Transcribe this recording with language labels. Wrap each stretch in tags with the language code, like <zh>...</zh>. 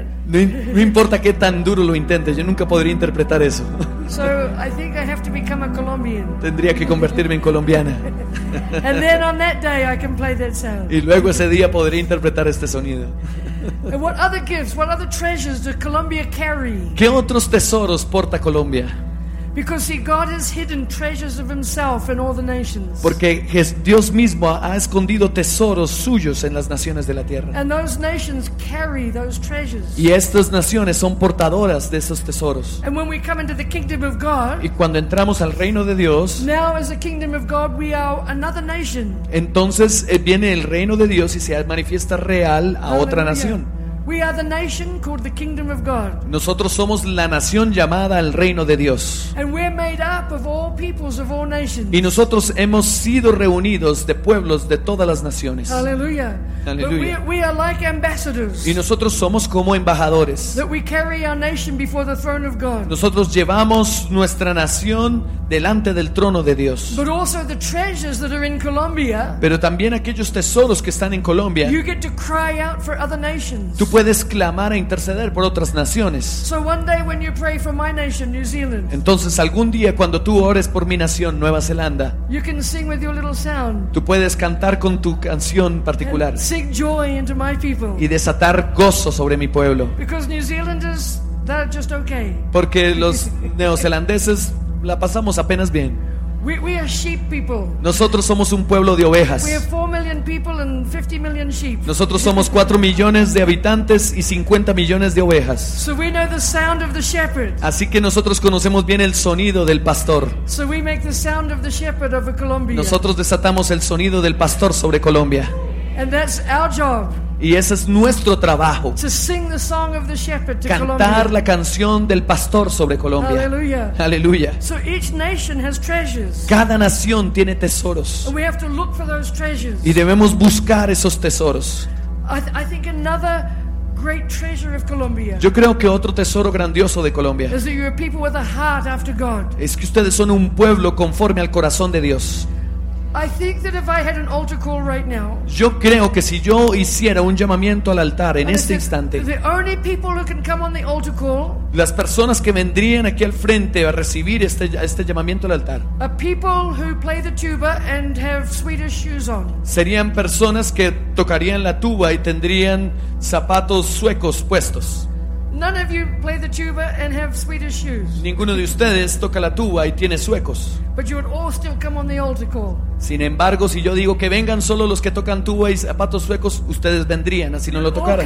<es>No importa qué tan duro lo intente, yo nunca podría interpretar eso.</es> <en>So, I think I have to become a Colombian.</en> <es>Tendría que convertirme en colombiana.</es> <en>And then on that day I can play that sound.</en> <es>Y luego ese día podría interpretar este sonido.</es> <en>And what other gifts, what other treasures does Colombia carry?</en> <es>¿Qué otros tesoros porta Colombia?</es> <en>Because see, God has hidden treasures of Himself in all the nations.</en> <es>Porque Dios mismo ha escondido tesoros suyos en las naciones de la tierra.</es> <en>And those nations carry those treasures.</en> <es>Y estas naciones son portadoras de esos tesoros.</es> <en>And when we come into the kingdom of God,</en> <es>y cuando entramos al reino de Dios,</es> <en>now as a kingdom of God, we are another nation.</en> <es>Entonces viene el reino de Dios y se manifiesta real a</es> <en>Hallelujah.</en> <es>Otra nación.</es> <en>We are the nation called the kingdom of God.</en> <es>Nosotros somos la nación llamada el reino de Dios.</es> <en>And we're made up of all peoples of all nations.</en> <es>Y nosotros hemos sido reunidos de pueblos de todas las naciones.</es> <en>Hallelujah. Hallelujah. But we are like ambassadors.</en> <es>Y nosotros somos como embajadores.</es> <en>That we carry our nation before the throne of God.</en> <es>Nosotros llevamos nuestra nación delante del trono de Dios.</es> <en>But also the treasures that are in Colombia.</en> <es>Pero también aquellos tesoros que están en Colombia.</es> <en>You get to cry out for other nations.</en> <es>Tú puedes clamar e interceder por otras naciones.</es> <en>So one day when you pray for my nation, New Zealand,</en> <es>entonces algún día cuando tú ores por mi nación, Nueva Zelanda,</es> <en>you can sing with your little sound,</en> <es>tú puedes cantar con tu canción particular</es> <en>and sing joy into my people,</en> <es>y desatar gozo sobre mi pueblo.</es> <en>Because New Zealanders, they're just okay.</en> <es>Porque los neozelandeses la pasamos apenas bien.</es> <en>We are sheep people.</en> <es>Nosotros somos un pueblo de ovejas.</es> <en>We are 4 million people and 50 million sheep.</en> <es>Nosotros somos 4 millones de habitantes y 50 millones de ovejas.</es> <en>So we know the sound of the shepherd.</en> <es>Así que nosotros conocemos bien el sonido del pastor.</es> <en>So we make the sound of the shepherd over Colombia.</en> <es>Nosotros desatamos el sonido del pastor sobre Colombia.</es> <en>And that's our job.</en> <es>Y ese es nuestro trabajo.</es> <en>To sing the song of the shepherd to</en> <es>cantar</es> <en>Colombia.</en> <es>La canción del pastor sobre Colombia. Aleluya.</es> <en>So each nation has treasures.</en> <es>Cada nación tiene tesoros.</es> <en>And we have to look for those treasures.</en> <es>Y debemos buscar esos tesoros.</es> <en>I think another great treasure of Colombia.</en> <es>Yo creo que otro tesoro grandioso de Colombia</es> <en>is that you're a people with a heart after God.</en> <es>Es que ustedes son un pueblo conforme al corazón de Dios.</es> <en>I think that if I had an altar call right now,</en> <es>yo creo que si yo hiciera un llamamiento al altar en este instante,</es> <en>the only people who can come on the altar call,</en> <es>las personas que vendrían aquí al frente a recibir este llamamiento al altar,</es> <en>are people who play the tuba and have Swedish shoes on.</en> <es>Serían personas que tocarían la tuba y tendrían zapatos suecos puestos.</es> <en>None of you play the tuba and have Swedish shoes.</en> <es>Ninguno de ustedes toca la tuba y tiene suecos.</es> <en>But you would all still come on the altar call.</en> <es>Sin embargo, si yo digo que vengan solo los que tocan tuba y zapatos suecos, ustedes vendrían, así no lo tocaran.</es>